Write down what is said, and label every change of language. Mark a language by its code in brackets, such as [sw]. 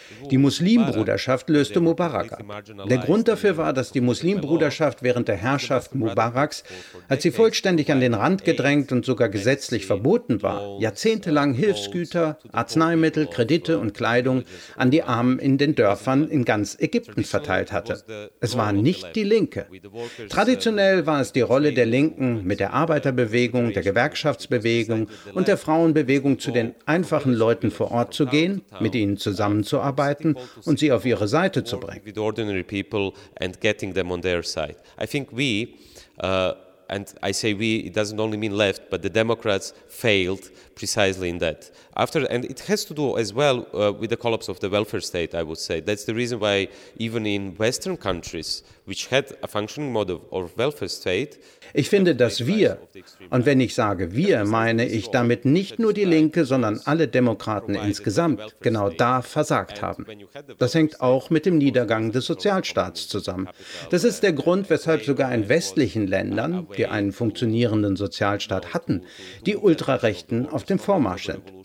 [de] Die Muslimbruderschaft löste Mubarak ab. Der Grund dafür war, dass die Muslimbruderschaft während der Herrschaft Mubaraks, als sie vollständig an den Rand gedrängt und sogar gesetzlich verboten war, jahrzehntelang Hilfsgüter, Arzneimittel, Kredite und Kleidung an die Armen in den Dörfern in ganz Ägypten verteilt hatte. Es war nicht die Linke. Traditionell war es die Rolle der Linken, mit der Arbeiterbewegung, der Gewerkschaftsbewegung und der Frauenbewegung zu den einfachen Leuten vor Ort zu gehen, mit ihnen zusammenzuarbeiten und sie auf ihre Seite zu bringen. [en] With ordinary people and getting them on their side. I think we, and I say we, it doesn't only mean left, but the Democrats failed precisely in that. After, and it has to do as well with the collapse of the welfare state, I would say. That's the reason why even in Western countries, which had a functioning model of welfare state. [de] Ich finde, dass wir, und wenn ich sage wir, meine ich damit nicht nur die Linke, sondern alle Demokraten insgesamt, genau da versagt haben. Das hängt auch mit dem Niedergang des Sozialstaats zusammen. Das ist der Grund, weshalb sogar in westlichen Ländern, die einen funktionierenden Sozialstaat hatten, die Ultrarechten auf dem Vormarsch sind.